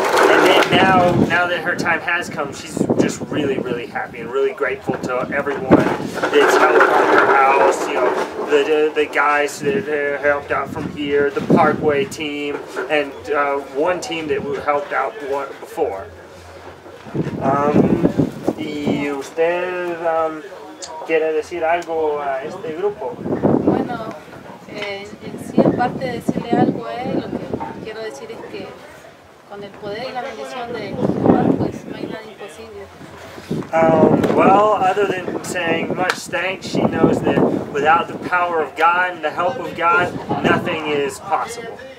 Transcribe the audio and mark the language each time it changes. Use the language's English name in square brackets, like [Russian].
[English] And then now that her time has come, she's just really, really happy and really grateful to everyone that's helped out her house, you know, the guys that helped out from here, the Parkway team, and one team that helped out before. [Spanish] ¿Y usted quiere decir algo a este grupo? Bueno, sí, aparte de decirle algo a él, lo que quiero decir es que con el poder y la bendición de Juan, pues no hay nada imposible. [English] Well, other than saying much thanks, she knows that without the power of God and the help of God, nothing is possible.